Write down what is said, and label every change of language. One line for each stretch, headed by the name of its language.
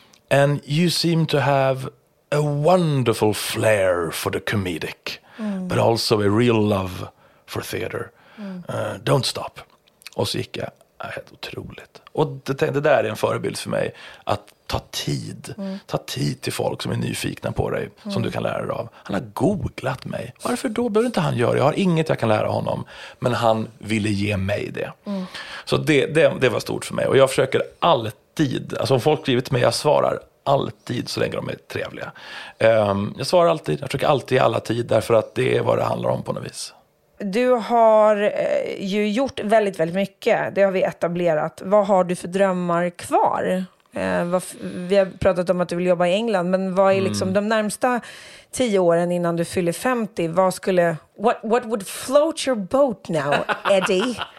English: And you seem to have a wonderful flair for the comedic, but also a real love for theater. Don't stop.
Swedish: Och så gick jag, helt otroligt. Och det där är en förebild för mig, att ta tid. Mm. Ta tid till folk som är nyfikna på dig, som du kan lära dig av. Han har googlat mig. Varför då? Behöver inte han göra det? Jag har inget jag kan lära honom. Men han ville ge mig det. Så det var stort för mig. Och jag försöker alltid, alltså om folk skriver till mig, jag svarar alltid så länge de är trevliga. Jag svarar alltid, jag försöker alltid i alla tid, därför att det är vad det handlar om på något vis. Du har ju gjort väldigt, väldigt mycket. Det har vi etablerat. Vad har du för drömmar kvar? Vi har pratat om att du vill jobba i England, men vad är liksom de närmsta 10 åren innan du fyller 50? Vad skulle...
English: What would float your boat now, Eddie?